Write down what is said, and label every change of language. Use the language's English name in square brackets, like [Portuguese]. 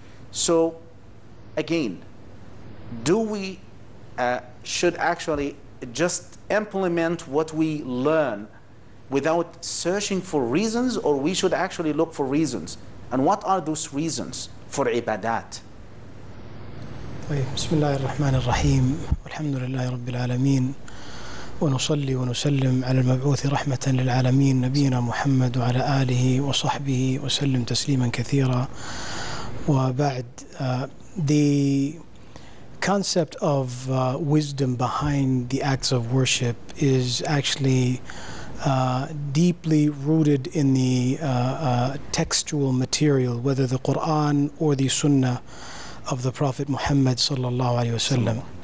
[English] So again, do we should actually just implement what we learn without searching for reasons, or we should actually look for reasons? And what are those reasons for ibadat? [Arabic] بسم الله الرحمن الرحيم والحمد لله رب العالمين ونصلي ونسلم على المبعوث رحمة للعالمين نبينا محمد وعلى آله وصحبه وسلم تسليما كثيرا. وبعد [English] the concept of wisdom behind the acts of worship is actually deeply rooted in the textual material, whether the Quran or the Sunnah of the Prophet Muhammad sallallahu alaihi wasallam.